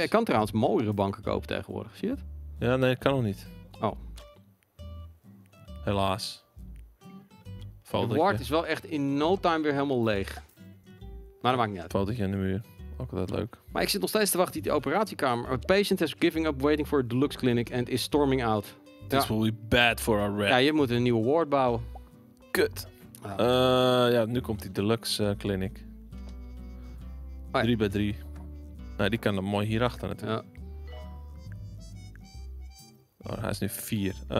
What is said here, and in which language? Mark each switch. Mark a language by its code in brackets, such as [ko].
[nl] Je kan trouwens mooiere banken kopen tegenwoordig. Zie je het? Ja, nee, kan nog niet. Oh. Helaas. De ward is wel echt [en] in no time [nl] weer helemaal leeg. Maar dat maakt niet uit. Fotootje aan de muur. Ook altijd leuk. Maar ik zit nog steeds te wachten in die operatiekamer. [en] A patient has given up waiting for a deluxe clinic and is storming out. This will be bad for our rep. [nl] Ja, je moet een nieuwe ward bouwen. Kut. Ah. Nu komt die deluxe clinic. 3x3. Nou, die kan dan mooi hierachter natuurlijk. Ja. Oh, hij is nu 4.